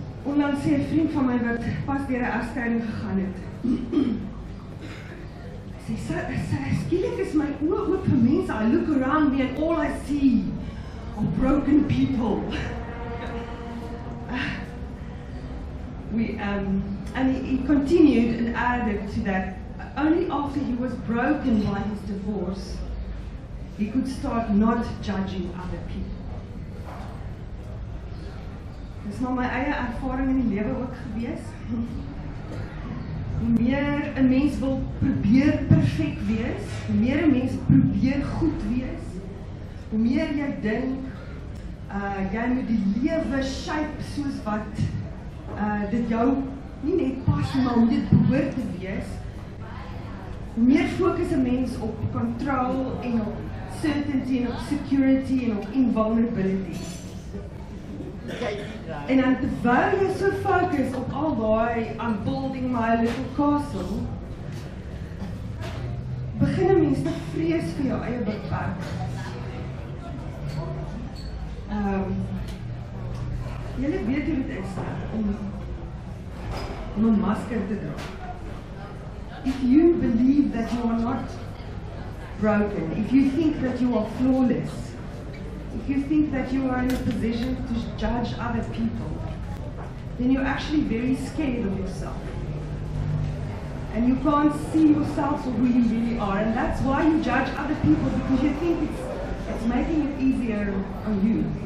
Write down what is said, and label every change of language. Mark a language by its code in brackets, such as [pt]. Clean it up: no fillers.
[af] Onlangs sê 'n vriend van my wat pas deur 'n afskeiding gegaan het. Sy sê, skielik is my oë oop vir mense. [en] I look around me and all I see are broken people. He continued and added to that, only after he was broken by his divorce, he could start not judging other people. [af] Dit is nou my eie ervaring in die lewe ook gewees. Hoe meer 'n mens wil probeer perfek wees, hoe meer 'n mens probeer goed wees, hoe meer jy dink jy moet die lewe shape soos wat dit jou nie net pas, maar hoe dit behoort te wees, hoe meer fokus 'n mens op control en op certainty en op security en op invulnerability. En dan terwyl jy so focus op al daai [en] on building my little castle, [af] begin een mens te vrees vir jou eie beperkings. Jy weet hoe dit is om 'n masker te dra. [en] If you believe that you are not broken, if you think that you are flawless, if you think that you are in a position to judge other people, then you're actually very scared of yourself. And you can't see yourself for who you really are. And that's why you judge other people, because you think it's making it easier on you.